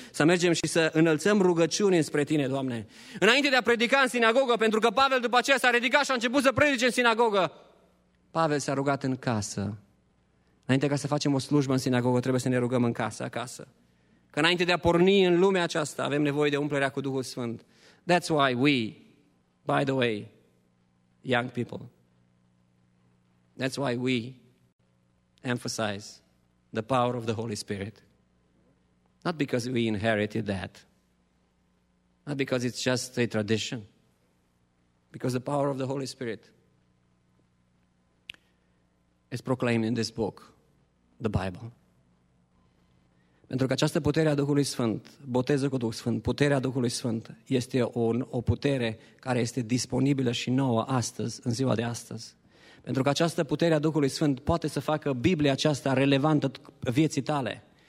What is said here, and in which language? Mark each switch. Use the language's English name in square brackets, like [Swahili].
[Romanian] Să mergem și să înălțăm rugăciuni spre Tine, Doamne. Înainte de a predica în sinagogă, pentru că Pavel după aceea s-a ridicat și a început să predice în sinagogă, Pavel s-a rugat în casă. Înainte ca să facem o slujbă în sinagogă, trebuie să ne rugăm în casă, acasă. Că înainte de a porni în lumea aceasta, avem nevoie de umplerea cu Duhul Sfânt. [English] That's why we, by the way, young people, that's why we emphasize the power of the Holy Spirit. Not because we inherited that. Not because it's just a tradition. Because the power of the Holy Spirit is proclaimed in this book, the Bible. [Romanian] Pentru că această putere a Duhului Sfânt, boteză cu Duhul Sfânt, puterea Duhului Sfânt este o putere care este disponibilă și nouă astăzi, în ziua de astăzi. Pentru că această putere a Duhului Sfânt poate să facă Biblia aceasta relevantă vieții tale.